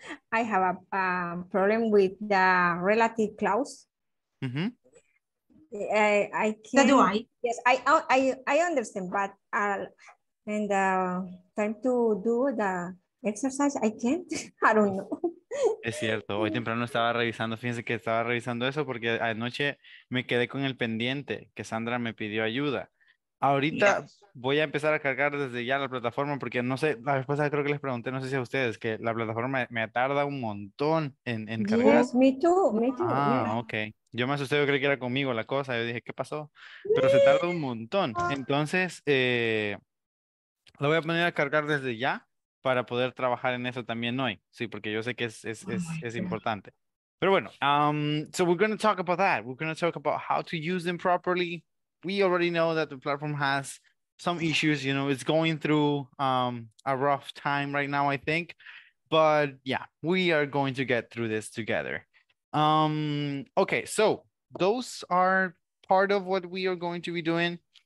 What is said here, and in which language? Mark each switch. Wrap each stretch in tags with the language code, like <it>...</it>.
<en>I have a problem with the relative clause. Mm-hmm. I can. So do I? Yes, I understand, but and time to do the exercise, I can't. I don't know.</en> <es>Es cierto. Hoy temprano estaba revisando. Fíjense que estaba revisando eso porque anoche me quedé con el pendiente que Sandra me pidió ayuda. Ahorita voy a empezar a cargar desde ya la plataforma porque no sé, la vez pasada creo que les pregunté, no sé si a ustedes, que la plataforma me tarda un montón en cargar.</es> <en>Yes, me too. Ah, ok.</en> <es>Yo me asusté, yo creí que era conmigo la cosa. Yo dije, ¿qué pasó? Pero se tarda un montón. Entonces, lo voy a poner a cargar desde ya para poder trabajar en eso también hoy. Sí, porque yo sé que es importante. Pero bueno,</es> <en>so we're going to talk about that. We're going to talk about how to use them properly. We already know that the platform has some issues, you know, it's going through a rough time right now, I think. But yeah, we are going to get through this together. Okay, so those are part of what we are going to be doing.</en>